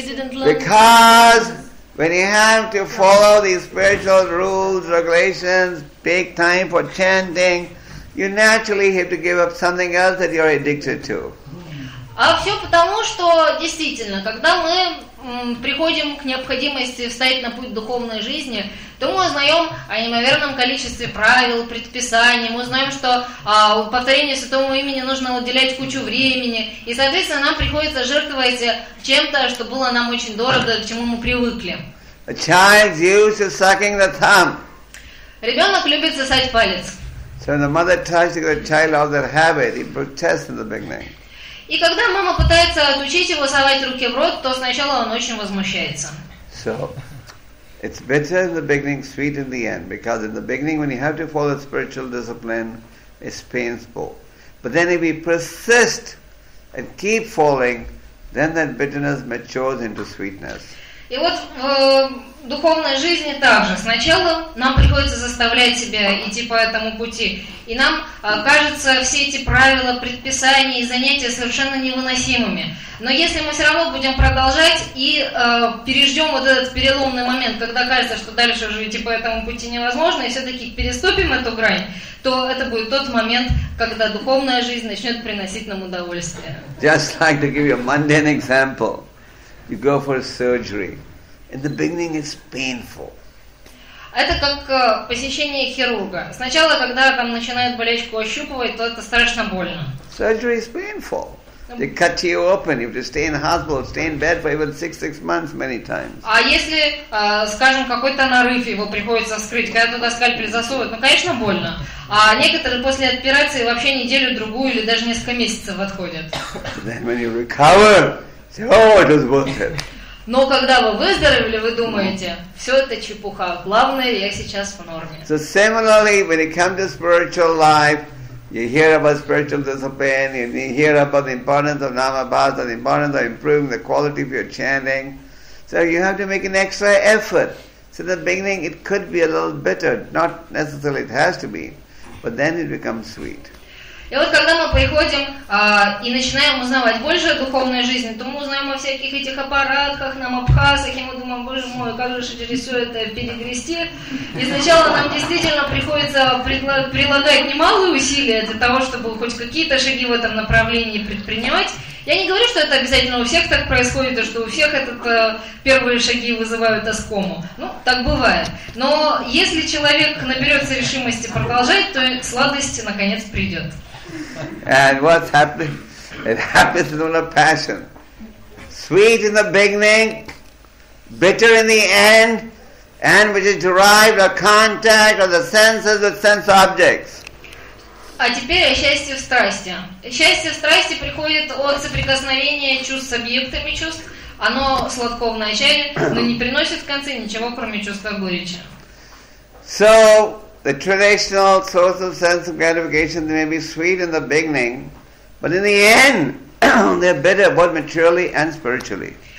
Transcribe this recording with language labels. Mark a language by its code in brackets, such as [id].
[en] Because when you have to follow the spiritual rules, regulations, take time for chanting, you naturally have to give up something else that you're addicted to. [ru] А все потому, что действительно, когда мы приходим к необходимости встать на путь духовной жизни, то мы узнаем о неимоверном количестве правил, предписаний, мы узнаем, что повторению святому имени нужно уделять кучу времени, и, соответственно, нам приходится жертвовать чем-то, что было нам очень дорого, к чему мы привыкли. [en] A child used to sucking the thumb. [ru] Ребенок любит сосать палец. [en] So when the mother tries to get a child out of that habit, he protests in the beginning. [ru] И когда мама пытается отучить его совать руки в рот, то сначала он очень возмущается. [en] So, it's bitter in the beginning, sweet in the end, because in the beginning, when you have to follow spiritual discipline, it's painful. But then if we persist and keep falling, then that bitterness matures into sweetness. [ru] И вот в духовной жизни также. Сначала нам приходится заставлять себя идти по этому пути. И нам кажется все эти правила, предписания и занятия совершенно невыносимыми. Но если мы все равно будем продолжать и переждем вот этот переломный момент, когда кажется, что дальше уже идти по этому пути невозможно, и все-таки переступим эту грань, то это будет тот момент, когда духовная жизнь начнет приносить нам удовольствие. [en] Just like to give you a mundane example. You go for a surgery. In the beginning, it's painful. [ru] Это как посещение хирурга. Сначала, когда там начинают болячку ощупывать, то это страшно больно. [en] Surgery is painful. They cut you open. You have to stay in the hospital, stay in bed for even six months many times. [ru] А если, скажем, какой-то нарыв его приходится вскрыть, когда туда скальпель засовывают, ну, конечно, больно. А некоторые после операции вообще неделю-другую или даже несколько месяцев отходят. [en] Then when you recover, oh, it was worth it. [ru] Но когда вы выздоровели, вы думаете, все это чепуха. Главное, я сейчас в норме. [en] So similarly, when you come to spiritual life, you hear about spiritual discipline, you hear about the importance of namabhasa, the importance of improving the quality of your chanting. So you have to make an extra effort. So in the beginning, it could be a little bitter, not necessarily it has to be, but then it becomes sweet. [ru] И вот когда мы приходим и начинаем узнавать больше о духовной жизни, то мы узнаем о всяких этих аппаратах, на мабхасах, и мы думаем, боже мой, как же через все это перегрести. И сначала нам действительно приходится прилагать немалые усилия для того, чтобы хоть какие-то шаги в этом направлении предпринимать. Я не говорю, что это обязательно у всех так происходит, и что у всех этот первые шаги вызывают оскому. Ну, так бывает. Но если человек наберется решимости продолжать, то сладость наконец придет. [en] And what's happening? It happens through the passion. Sweet in the beginning, bitter in the end, and which is derived of contact of the senses with sense objects. [ru] А теперь о счастье в страсти. Счастье в страсти приходит от соприкосновения чувств с объектами чувств. Оно сладко в начале, но не приносит в конце ничего, кроме чувства горечи. [en] So, the traditional source of sense of gratification may be sweet in the beginning, but in the end, they're bitter both materially and spiritually.